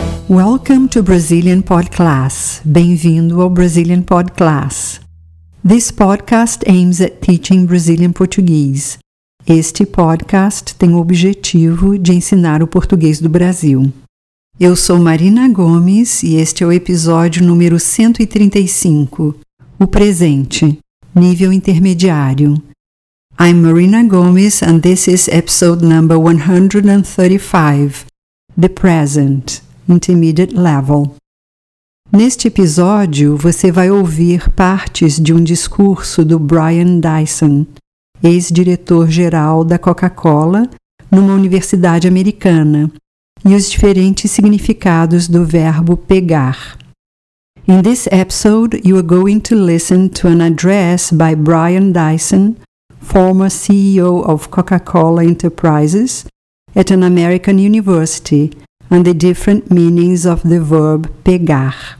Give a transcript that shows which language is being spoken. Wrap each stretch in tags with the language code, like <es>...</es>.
<en>Welcome to Brazilian Pod Class.</en> <pt>Bem-vindo ao Brazilian Pod Class.</pt> <en>This podcast aims at teaching Brazilian Portuguese.</en> <pt>Este podcast tem o objetivo de ensinar o português do Brasil. Eu sou Marina Gomes e este é o episódio número 135. O presente, nível intermediário.</pt> <en>I'm Marina Gomes and this is episode number 135. The present. Intermediate Level.</en> <pt>Neste episódio, você vai ouvir partes de um discurso do Brian Dyson, ex-diretor-geral da Coca-Cola, numa universidade americana, e os diferentes significados do verbo pegar.</pt> <en>In this episode, you are going to listen to an address by Brian Dyson, former CEO of Coca-Cola Enterprises, at an American university, and the different meanings of the verb pegar.</en>